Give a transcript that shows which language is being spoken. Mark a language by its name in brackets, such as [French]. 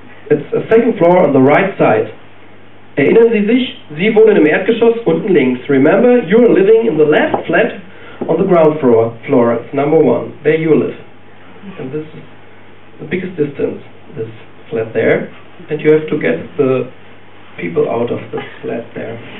[English] It's a second floor on the right side. [German] Erinnern Sie sich, Sie wohnen im Erdgeschoss unten links. [English] Remember, you're living in the left flat on the ground floor. Floor. It's number 1. There you live. And this is the biggest distance. This flat there, and you have to get the people out of the flat there.